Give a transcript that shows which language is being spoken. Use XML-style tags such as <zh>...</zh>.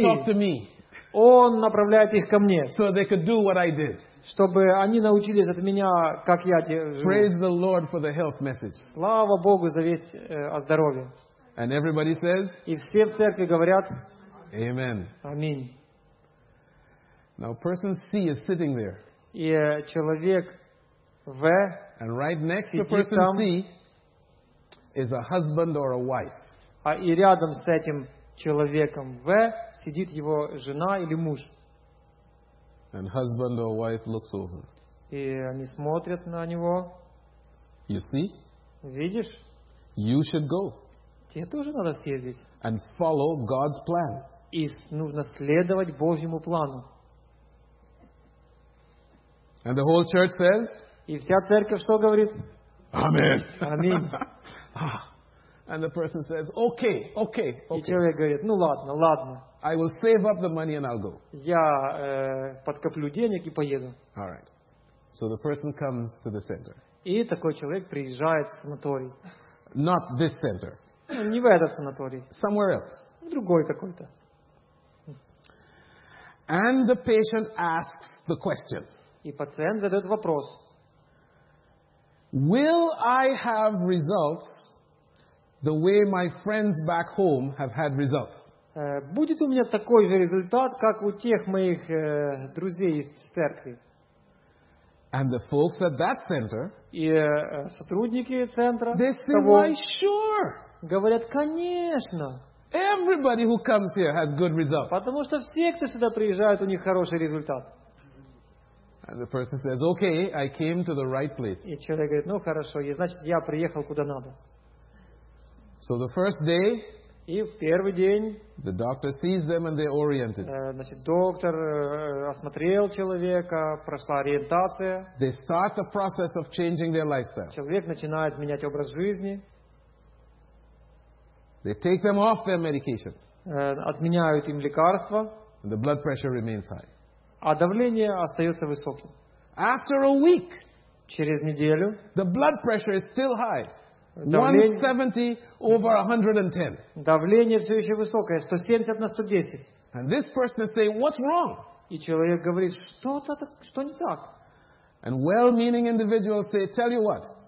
<en>he tells them to talk to me.</en> <ru>Он направляет их ко мне,</ru> <en>so they could do what I did.</en> <ru>Чтобы они научились от меня, как я живу.</ru> <en>Praise the Lord for the health message.</en> <ru>Слава Богу за весть о здоровье.</ru> <en>And everybody says,</en> <ru>и все в церкви говорят,</ru> <en>Amen.</en> <ru>Аминь.</ru> <en>Now person C is sitting there.</en> <ru>И человек В,</ru> <en>and right next to person</en> <ru>там,</ru> <en>C is a husband or a wife.</en> <ru>А и рядом с этим человеком В сидит его жена или муж.</ru> <en>And husband or wife looks over.</en> <ru>И они смотрят на него.</ru> <en>You see?</en> <ru>Видишь?</ru> <en>You should go.</en> <ru>Тебе тоже надо съездить.</ru> <en>And follow God's plan.</en> <ru>И нужно следовать Божьему плану.</ru> <en>And the whole church says?</en> <ru>И вся церковь что говорит?</ru> <en>Amen. Amen. And the person says, okay, okay, okay.</en> <ru>И человек говорит, ну ладно, ладно.</ru> <en>I will save up the money and I'll go.</en> <ru>Я подкоплю денег и поеду.</ru> <en>All right. So the person comes to the center.</en> <ru>И такой человек приезжает в санаторий.</ru> <en>Not this center.</en> <ru>Не в этот санаторий.</ru> <en>Somewhere else.</en> <ru>В другой какой-то.</ru> <en>And the patient asks the question.</en> <ru>И пациент задает вопрос.</ru> <en>Will I have results the way my friends back home have had results?</en> <ru>Будет у меня такой же результат, как у тех моих друзей из церкви.</ru> <en>And the folks at that center,</en> <ru>и сотрудники центра,</ru> <en>they say,</en> <ru>того,</ru> <en>why, sure.</en> <ru>Говорят, конечно.</ru> <en>Everybody who comes here has good results.</en> <ru>Потому что все, кто сюда приезжают, у них хороший результат.</ru> <en>And the person says, okay, I came to the right place.</en> <ru>И человек говорит, ну хорошо, и значит я приехал куда надо.</ru> <en>So the first day,</en> <ru>и в первый день</ru> <en>the doctor sees them and they're oriented.</en> <ru>Значит, доктор осмотрел человека, прошла ориентация.</ru> <en>They start the process of changing their lifestyle.</en> <ru>Человек начинает менять образ жизни.</ru> <en>They take them off their medications.</en> <ru>Отменяют им лекарства.</ru> <en>And the blood pressure remains high.</en> <ru>А давление остается высоким.</ru> <en>After a week,</en> <ru>через неделю,</ru> <en>the blood pressure is still high. 170 over 110.</en> <ru>Давление все еще высокое, 170 на 110.</ru> <en>And this person is saying, what's wrong?</en> <ru>И человек говорит, что-то, что не так.</ru> <en>And well-meaning individuals say, "Tell you what."</en>